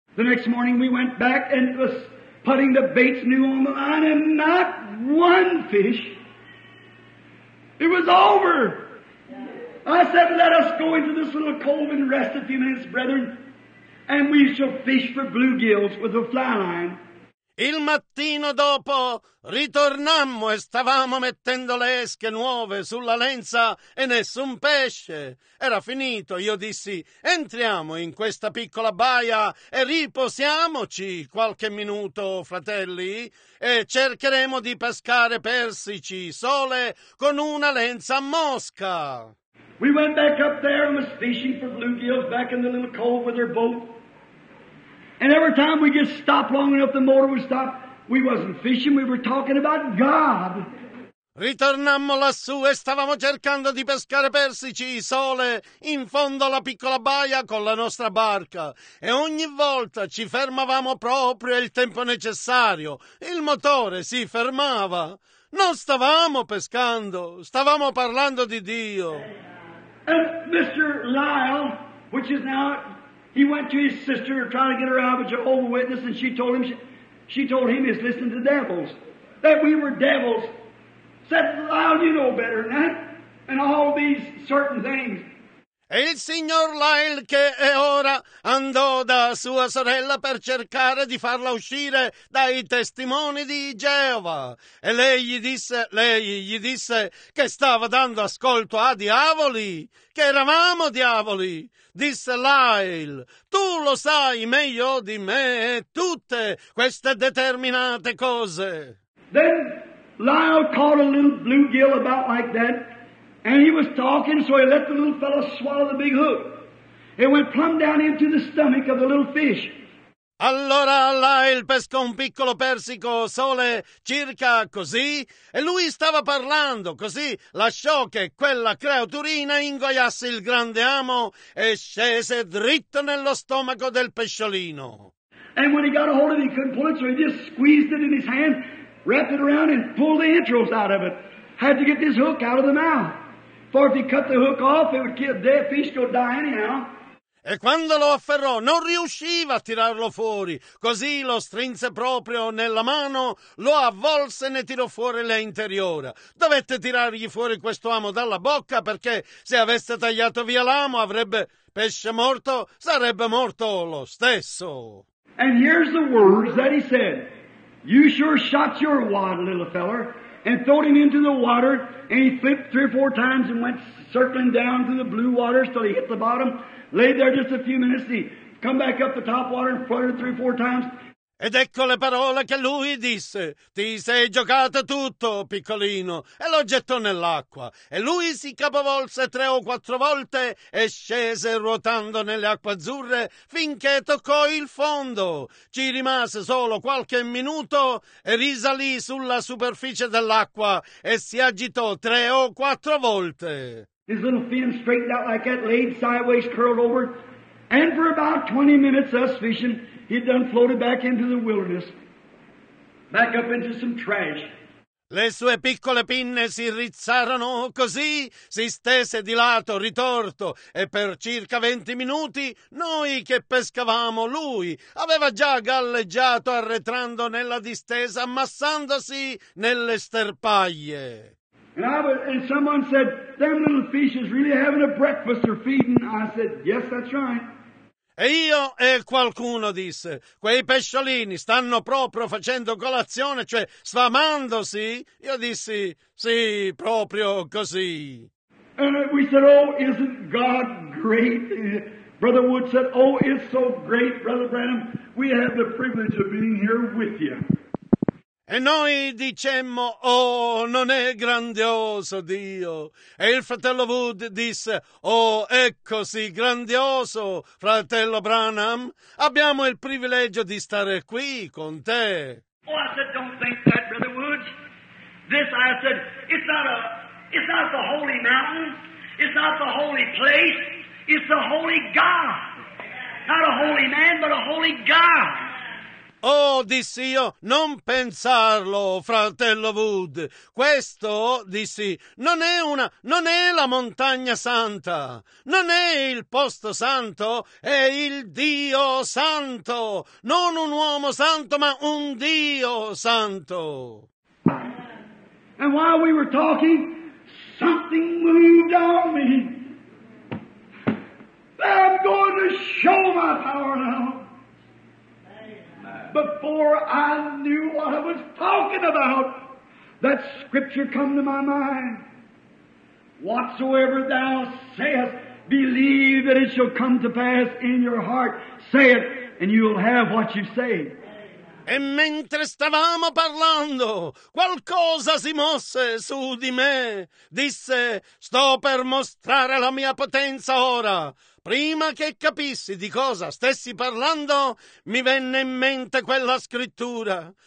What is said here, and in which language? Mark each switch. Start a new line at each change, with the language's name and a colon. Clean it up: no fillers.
English: The next morning we went back and was putting the baits new on the line and not one fish. It was over. I said, let us go into this little cove and rest a few minutes, brethren, and we shall fish for bluegills with a fly line.
Italian: Il mattino dopo ritornammo e stavamo mettendo le esche nuove sulla lenza e nessun pesce. Era finito, io dissi, entriamo in questa piccola baia e riposiamoci qualche minuto, fratelli, e cercheremo di pescare persici sole con una lenza a mosca.
English: We went back up there and was fishing for bluegills back in the little cove with their boat. And every time we just stopped long enough, the motor would stop. We wasn't fishing, we were talking about God.
Italian: Ritornammo lassù e stavamo cercando di pescare persici, isole, in fondo alla piccola baia con la nostra barca. E ogni volta ci fermavamo proprio il tempo necessario. Il motore si fermava. Non stavamo pescando, stavamo parlando di Dio.
English: And Mr. Lyle, which is now, he went to his sister to try to get her out of a Jehovah's Witness, and she told him he's listening to devils, that we were devils. Said, Lyle, you know better than that, and all these certain things.
Italian: E il signor Lyle, che è ora, andò da sua sorella per cercare di farla uscire dai testimoni di Geova. E lei gli disse che stava dando ascolto a diavoli, che eravamo diavoli. Disse Lyle, tu lo sai meglio di me tutte queste determinate cose.
English: Then Lyle caught a little bluegill about like that. And he was talking, so he let the little fellow swallow the big hook. It went plumb down into the stomach of the little fish.
Italian: Allora Lyle pescò un piccolo persico sole circa così, e lui stava parlando, così lasciò che quella creaturina ingoiasse il grande amo e scese dritto nello stomaco del pesciolino.
English: And when he got a hold of it, he couldn't pull it, so he just squeezed it in his hand, wrapped it around and pulled the entrails out of it. Had to get this hook out of the mouth. For if he cut the hook off, it would kill the dead fish, go die anyhow.
Italian: E quando lo afferrò, non riusciva a tirarlo fuori. Così lo strinse proprio nella mano, lo avvolse e ne tirò fuori l'interiore. Dovette tirargli fuori questo amo dalla bocca, perché se avesse tagliato via l'amo, avrebbe pesce morto, sarebbe morto lo stesso.
English: And here's the words that he said. You sure shot your wad, little feller. And threw him into the water, and he flipped three or four times and went circling down through the blue waters till he hit the bottom, laid there just a few minutes, and he come back up the top water and floated three or four times.
Italian: Ed ecco le parole che lui disse, ti sei giocato tutto, piccolino, e lo gettò nell'acqua. E lui si capovolse tre o quattro volte e scese ruotando nelle acque azzurre finché toccò il fondo. Ci rimase solo qualche minuto e risalì sulla superficie dell'acqua e si agitò tre o quattro volte.
English: His little fin straightened out like that, laid sideways, curled over, and for about 20 minutes us fishing, he'd done floated back into the wilderness, back up into some trash.
Italian: Le sue piccole pinne si rizzarono così, si stese di lato, ritorto, e per circa 20 minuti noi che pescavamo lui aveva già galleggiato arretrando nella distesa, ammassandosi nelle sterpaglie.
English: And someone said, them little fish is really having a breakfast or feeding. I said, yes, that's right.
Italian: E io e qualcuno disse, quei pesciolini stanno proprio facendo colazione, cioè sfamandosi? Io dissi, sì, proprio così.
English: And we said, oh, isn't God great? Brother Wood said, oh, it's so great, Brother Branham, we have the privilege of being here with you.
Italian: E noi dicemmo, oh, non è grandioso Dio. E il fratello Wood disse, oh, è così grandioso, fratello Branham. Abbiamo il privilegio di stare qui con te.
English: Oh, I said, don't think that, Brother Wood. This, I said, it's not the holy mountain. It's not the holy place. It's the holy God. Not a holy man, but a holy God.
Italian: Oh, dissi io, non pensarlo, fratello Wood. Questo, dissi, non è la montagna santa, non è il posto santo, è il Dio santo, non un uomo santo, ma un Dio santo.
English: And while we were talking, something moved on me. I'm going to show my power now. Before I knew what I was talking about, that scripture come to my mind. Whatsoever thou sayest, believe that it shall come to pass in your heart. Say it, and you'll have what you say.
Italian: E mentre stavamo parlando, qualcosa si mosse su di me. Disse, sto per mostrare la mia potenza ora. Prima che capissi di cosa stessi parlando, mi venne in mente quella scrittura.